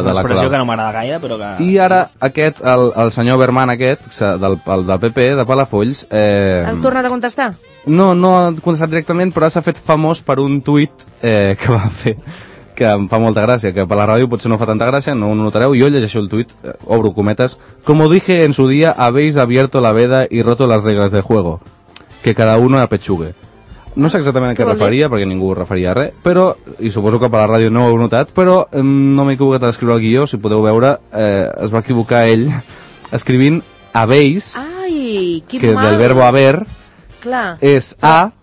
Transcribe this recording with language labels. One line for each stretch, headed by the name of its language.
Catalan: Colau. Una expressió que no m'agrada gaire, però que... I ara aquest, el senyor Berman aquest, del PP, de Palafolls... Ha tornat a contestar? No ha contestat directament, però s'ha fet famós per un tuit que va fer, que em fa molta gràcia, que per la ràdio potser no fa tanta gràcia, no ho notareu. Jo llegeixo el tuit, obro cometes,
Spanish: como dije en su día, habéis abierto la veda y roto las reglas de juego. Que cada uno la pechugue.
Catalan: No sé exactament a què referia, perquè ningú referia a res, però, i suposo que per la ràdio no ho heu notat, però no m'he equivocat a escriure el guió, si podeu veure, es va equivocar ell escrivint habéis, que mal.
Spanish: Del verbo haber,
Catalan: clar, és a,